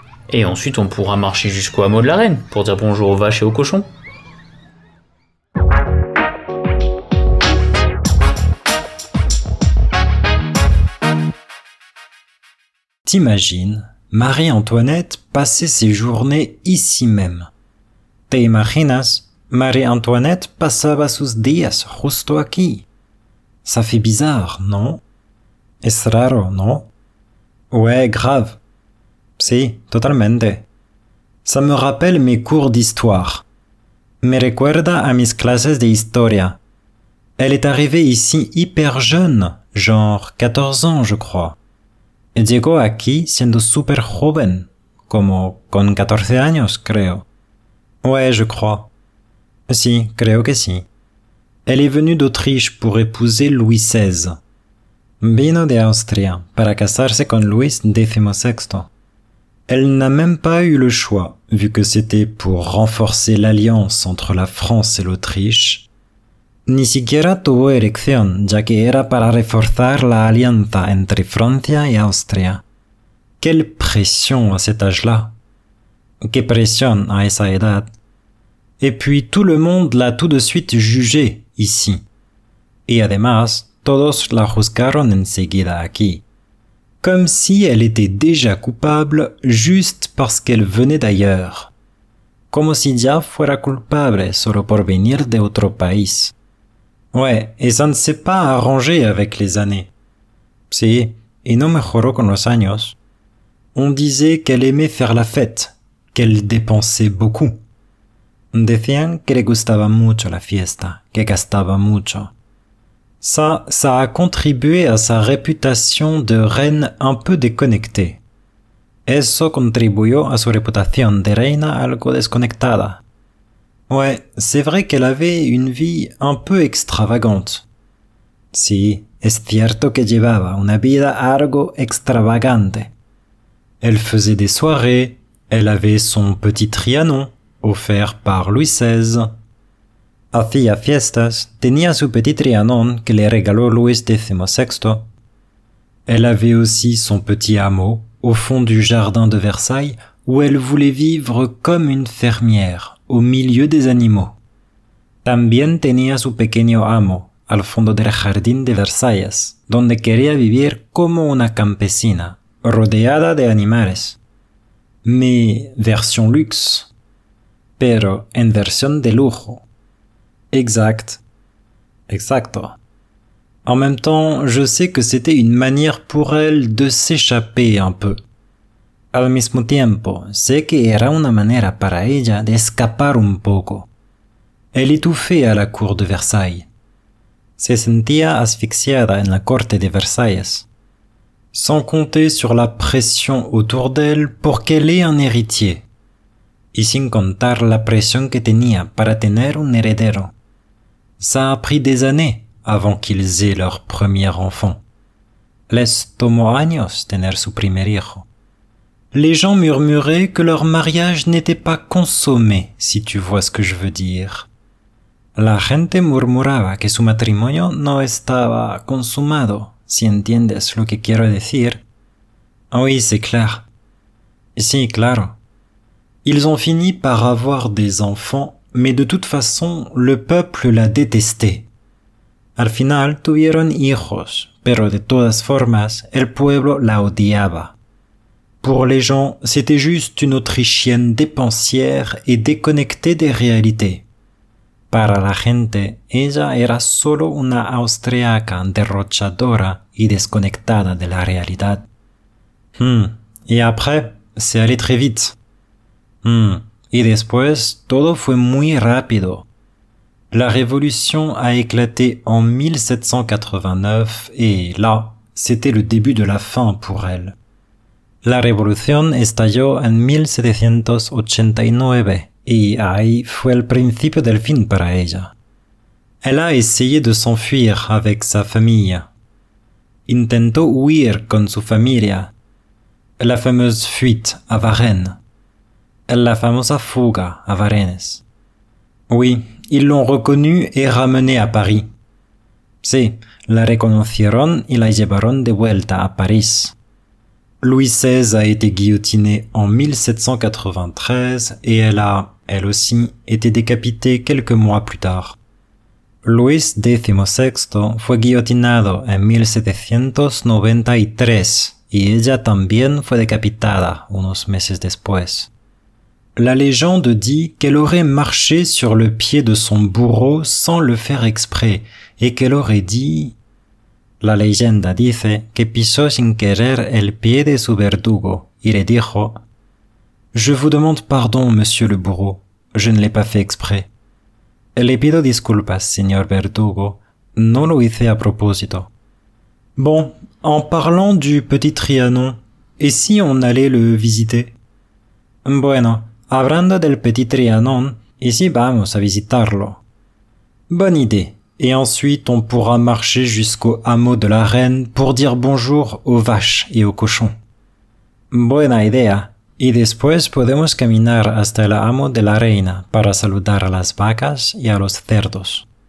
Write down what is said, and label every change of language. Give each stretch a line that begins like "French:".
French: Et ensuite, on pourra marcher jusqu'au hameau de la reine pour dire bonjour aux vaches et aux cochons. T'imagines ? Marie-Antoinette passait ses journées ici même.
Spanish: Te imaginas, Marie-Antoinette pasaba sus días justo aquí.
French: Ça fait bizarre, non?
Spanish: Es raro, non?
French: Ouais, grave.
Spanish: Si, totalmente.
French: Ça me rappelle mes cours d'histoire.
Spanish: Me recuerda a mis clases de historia.
French: Elle est arrivée ici hyper jeune, genre 14 ans, je crois.
Spanish: Llegó aquí siendo super joven, como con 14 años, creo.
French: Ouais, je crois.
Spanish: Si, creo que si.
French: Elle est venue d'Autriche pour épouser Louis XVI.
Spanish: Vino de Austria para casarse con Luis XVI.
French: Elle n'a même pas eu le choix, vu que c'était pour renforcer l'alliance entre la France et l'Autriche.
Spanish: Ni siquiera tuvo elección, ya que era para reforzar la alianza entre Francia y Austria.
French: Quelle pression à cet âge-là!
Spanish: Que pression à esa edad!
French: Et puis tout le monde l'a tout de suite jugée ici.
Spanish: Et además, todos la juzgaron enseguida aquí.
French: Comme si elle était déjà coupable juste parce qu'elle venait d'ailleurs.
Spanish: Como si ya fuera culpable solo por venir de otro país.
French: Ouais, et ça ne s'est pas arrangé avec les années.
Spanish: Si, y no mejoró con los años.
French: On disait qu'elle aimait faire la fête, qu'elle dépensait beaucoup.
Spanish: Decían que le gustaba mucho la fiesta, que gastaba mucho.
French: Ça a contribué à sa réputation de reine un peu déconnectée.
Spanish: Eso contribuyó a su reputación de reina algo desconectada.
French: Ouais, c'est vrai qu'elle avait une vie un peu extravagante.
Spanish: Sí, es cierto que llevaba una vida algo extravagante.
French: Elle faisait des soirées, elle avait son petit Trianon, offert par Louis XVI.
Spanish: Hacía fiestas, tenía su petit Trianon que le regaló Luis XVI.
French: Elle avait aussi son petit hameau, au fond du jardin de Versailles, où elle voulait vivre comme une fermière, au milieu des animaux.
Spanish: También tenía su pequeño amo, al fondo del jardín de Versalles, donde quería vivir como una campesina, rodeada de animales.
French: Mais version luxe.
Spanish: Pero en versión de lujo. Exact. Exacto.
French: En même temps, je sais que c'était une manière pour elle de s'échapper un peu.
Spanish: Al mismo tiempo, sé que era una manera para ella de escapar un poco.
French: Elle étouffait à la cour de Versailles.
Spanish: Se sentía asfixiada en la corte de Versailles.
French: Sans compter sur la pression autour d'elle pour qu'elle ait un héritier.
Spanish: Y sin contar la presión que tenía para tener un heredero.
French: Ça a pris des années avant qu'ils aient leur premier enfant.
Spanish: Les tomó años tener su primer hijo.
French: Les gens murmuraient que leur mariage n'était pas consommé, si tu vois ce que je veux dire.
Spanish: La gente murmuraba que su matrimonio no estaba consumado, si entiendes lo que quiero decir.
French: Oui, c'est clair.
Spanish: Sí, claro.
French: Ils ont fini par avoir des enfants, mais de toute façon, le peuple la détestait.
Spanish: Al final tuvieron hijos, pero de todas formas, el pueblo la odiaba.
French: Pour les gens, c'était juste une autrichienne dépensière et déconnectée des réalités.
Spanish: Para la gente, ella era solo una austriaca derrochadora y desconectada de la realidad.
French: Et après, c'est allé très vite.
Spanish: Et después, todo fue muy rápido.
French: La révolution a éclaté en 1789 et là, c'était le début de la fin pour elle.
Spanish: La revolución estalló en 1789 y ahí fue el principio del fin para ella.
French: Elle a essayé de s'enfuir avec sa famille.
Spanish: Intentó huir con su familia.
French: La fameuse fuite a Varennes.
Spanish: La famosa fuga a Varennes.
French: Oui, ils l'ont reconnue et ramenée à Paris.
Spanish: Sí, la reconocieron y la llevaron de vuelta a París.
French: Louis XVI a été guillotiné en 1793 et elle a, elle aussi, été décapitée quelques mois plus tard.
Spanish: Louis XVI fue guillotinado en 1793 y ella también fue decapitada unos meses después.
French: La légende dit qu'elle aurait marché sur le pied de son bourreau sans le faire exprès et qu'elle aurait dit...
Spanish: La leyenda dice que pisó sin querer el pie de su verdugo y le dijo:
French: Je vous demande pardon, monsieur le bourreau. Je ne l'ai pas fait exprès.
Spanish: Le pido disculpas, señor verdugo. No lo hice a propósito.
French: Bon, en parlant du petit Trianon, et si on allait le visiter?
Spanish: Bueno, hablando del petit Trianon, y si vamos a visitarlo?
French: Bonne idée. Et ensuite, on pourra marcher jusqu'au hameau de la reine pour dire bonjour aux vaches et aux cochons.
Spanish: Buena idea. Y después podemos caminar hasta el hameau de la reina para saludar a las vacas y a los cerdos.